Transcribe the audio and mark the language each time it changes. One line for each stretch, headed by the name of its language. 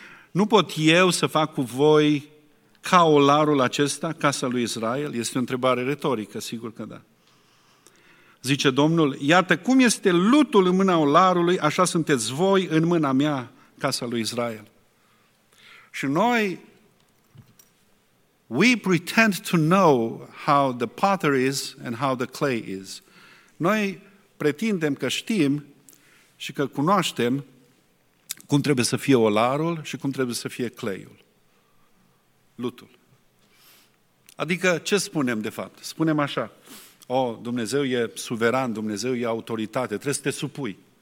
Romanian: Nu pot eu să fac cu voi ca olarul acesta, casa lui Israel? Este o întrebare retorică, sigur că da. Zice Domnul, iată cum este lutul în mâna olarului, așa sunteți voi în mâna mea, casa lui Israel. Și noi,
English: we pretend to know how the potter is and how the clay is.
Romanian: Noi pretindem că știm și că cunoaștem cum trebuie să fie olarul și cum trebuie să fie clayul, lutul. Adică ce spunem de fapt? Spunem așa. Dumnezeu e suveran, Dumnezeu e autoritate, trebuie să te supui.